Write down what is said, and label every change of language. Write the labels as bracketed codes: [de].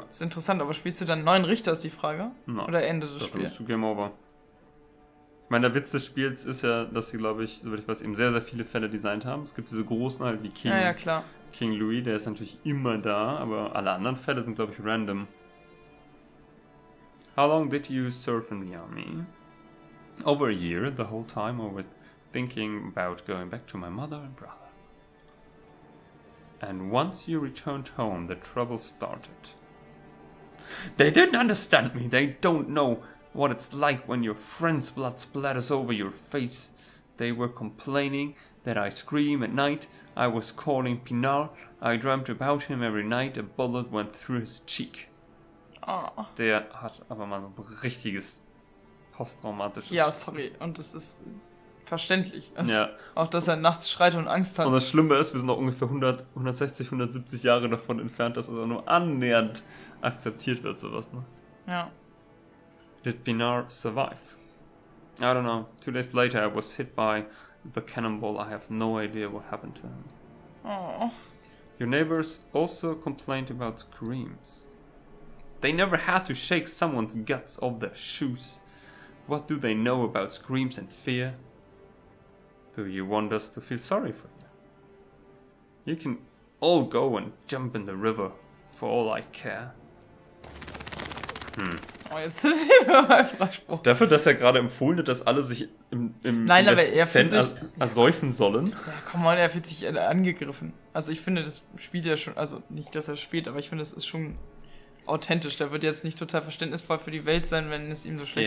[de] Das ist interessant, aber spielst du dann neuen Richter, ist die Frage? Nein. Oder Ende des Spiels? Dafür bist du Game Over. Ich meine, der Witz des Spiels ist ja, dass sie, glaube ich, soweit ich weiß, eben sehr, sehr viele Fälle designt haben. Es gibt diese großen halt wie King. Ja, ja, klar. King Louis, der ist natürlich immer da, aber alle anderen Fälle sind, glaube ich, random. [en] How long did you serve in the army? Over a year, the whole time, or with thinking about going back to my mother and brother. And once you returned home, the trouble started. They didn't understand me. They don't know what it's like when your friend's blood splatters over your face. They were complaining that I scream at night. I was calling Pinar. I dreamt about him every night. A bullet went through his cheek. Oh. [de] Der hat aber mal so ein richtiges posttraumatisches... Ja, sorry. Und das ist... verständlich. Also ja. Auch, dass er nachts schreit und Angst hat. Und das Schlimme ist, wir sind noch ungefähr 100, 160, 170 Jahre davon entfernt, dass es auch nur annähernd akzeptiert wird, sowas. Ne? Ja. [en] Did Pinar survive? I don't know. 2 days later I was hit by the cannonball. I have no idea what happened to him. Oh. Your neighbors also complained about screams. They never had to shake someone's guts off their shoes. What do they know about screams and fear? Do you want us to feel sorry for you? You can all go and jump in the river, for all I care. [de] Hm. Oh, jetzt ist er mal Freispruch. Dafür, dass er gerade empfohlen hat, dass alle sich im Nein, aber er fühlt sich, ersäufen sollen. Ja, [en] come on, [de] er fühlt sich angegriffen. Also ich finde, das spielt ja schon, also nicht, dass er spielt, aber ich finde, das ist schon authentisch. Der wird jetzt nicht total verständnisvoll für die Welt sein, wenn es ihm so schlecht